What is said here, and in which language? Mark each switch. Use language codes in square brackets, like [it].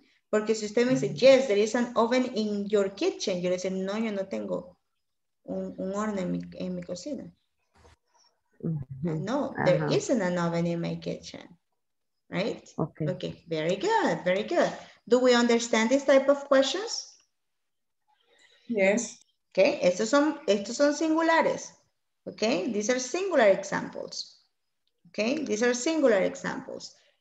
[es] Porque si usted me dice, [en] yes, there is an oven in your kitchen. [es] Yo le dice, no, yo no tengo un horno en mi cocina. [en] No, there isn't an oven in my kitchen. Right? Okay. Very good. Very good. Do we understand this type of questions? Yes. [es] Okay. Estos son singulares. Okay. [en] These are singular examples. Okay. These are singular examples.